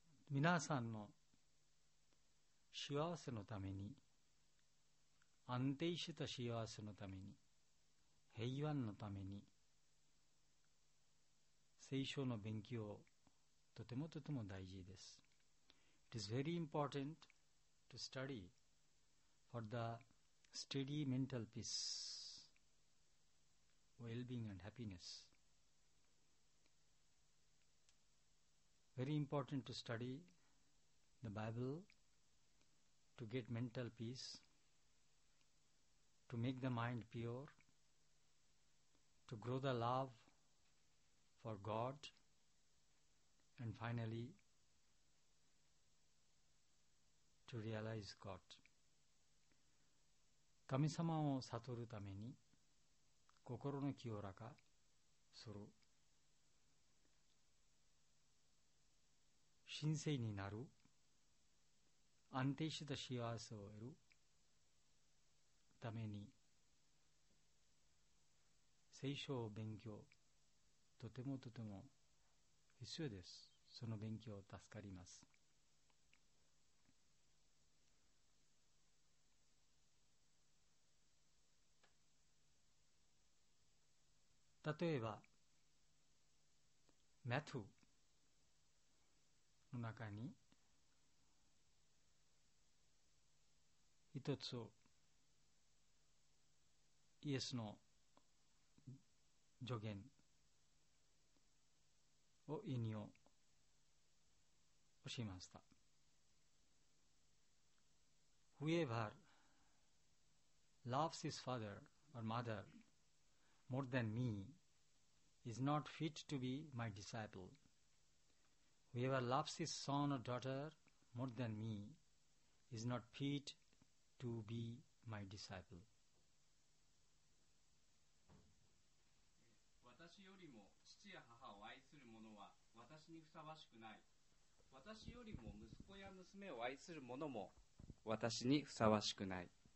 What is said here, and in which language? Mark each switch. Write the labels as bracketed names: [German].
[Japanese] 皆さんの幸せのために、安定した幸せのために、平和のために聖書の勉強とてもとても大事です。 [English] It is very important to study for the steady mental peace, well-being and happiness. Very important to study the Bible, to get mental peace, to make the mind pure, to grow the love for God, and finally to realize God. [Japanese] 神様を悟るために心の清らかする、神聖になる、安定した幸せを得るために聖書を勉強、とてもとても必要です。その勉強を助かります。例えばマタイの中に一つイエスの助言を引用しました。 [English] Whoever loves his father or mother more than meis not fit to be my disciple. Whoever loves his son or daughter more than me is not fit to be my disciple. [Japanese] 私よりも父や母を愛する者は私にふさわしくない。私よりも息子や娘を愛する者も私にふさわしくない。